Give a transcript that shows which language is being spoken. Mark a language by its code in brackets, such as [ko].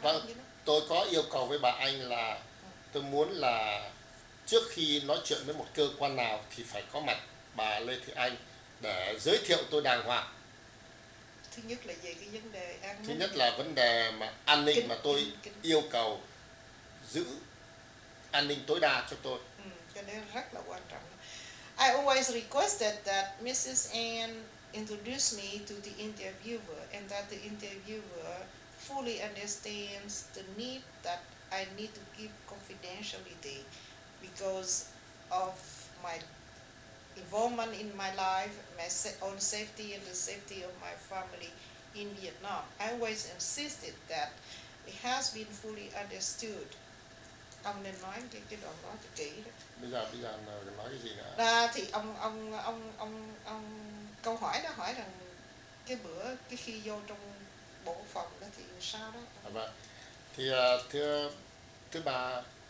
[vi] Vâng, tôi có yêu cầu với bà Anh là tôi muốn là trước khi nói chuyện với một cơ quan nào thì phải có mặt bà Lê Thị Anh để giới thiệu tôi đàng hoàng. Thứ nhất là về cái vấn đề an ninh. Thứ nhất là vấn đề mà an ninh kính, mà tôi kính. Yêu cầu giữ an ninh tối đa cho tôi. Rất là quan trọng. [en] I always requested that Mrs. Ann introduce me to the interviewer and that the interviewer fully understands the need that I need to keep confidentiality because of my involvement in my life, my own safety and the safety of my family in Vietnam. I always insisted that it has been fully understood. [vi] Ông nên nói cái đoạn đó cho kỹ đó. Bây giờ nói cái gì nữa? Đó thì ông câu hỏi đó hỏi rằng cái bữa cái khi vô trong bộ phòng đó thì sao đó? Vâng. Thì thưa bà,